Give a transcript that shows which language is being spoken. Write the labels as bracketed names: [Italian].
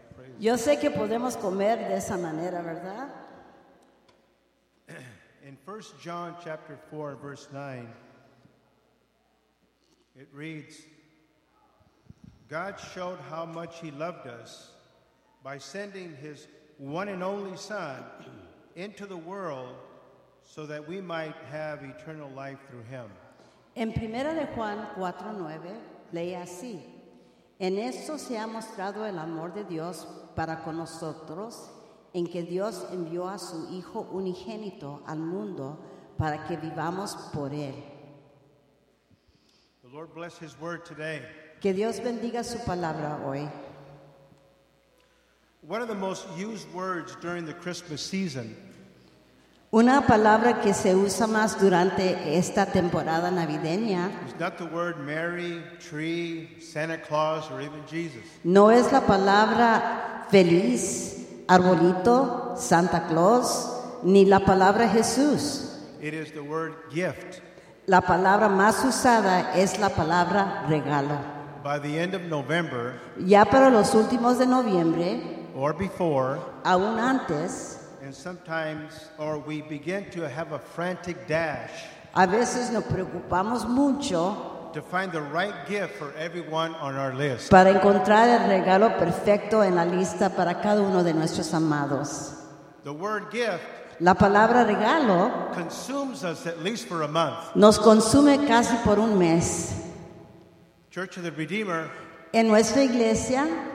[Spanish] Praise Yo sé que podemos comer de esa manera, ¿verdad? [English] In 1 John chapter 4, verse 9, it reads, God showed how much he loved us by sending his one and only Son into the world so that we might have eternal life through him. [Spanish] En Primera de Juan 4:9 leía así, En esto se ha mostrado el amor de Dios para con nosotros, en que Dios envió a su Hijo unigénito al mundo para que vivamos por él. [English] The Lord bless his word today. [Spanish] Que Dios bendiga su palabra hoy. [English] One of the most used words during the Christmas season. [Spanish] Una palabra que se usa más durante esta temporada navideña. [English] It's not the word Mary, tree, Santa Claus, or even Jesus. [Spanish] No es la palabra feliz, arbolito, Santa Claus, ni la palabra Jesús. [English] It is the word gift. [Spanish] La palabra más usada es la palabra regalo. [English] By the end of November, [Spanish] ya para los últimos de noviembre, [English] or before, [Spanish] aún antes, [English] and sometimes, or we begin to have a frantic dash, [Spanish] a veces nos preocupamos mucho, [English] to find the right gift for everyone on our list, [Spanish] para encontrar el regalo perfecto en la lista para cada uno de nuestros amados. [English] The word gift, [Spanish] la palabra regalo, [English] consumes us at least for a month, [Spanish] nos consume casi por un mes. [English] Church of the Redeemer, [Spanish] en nuestra iglesia,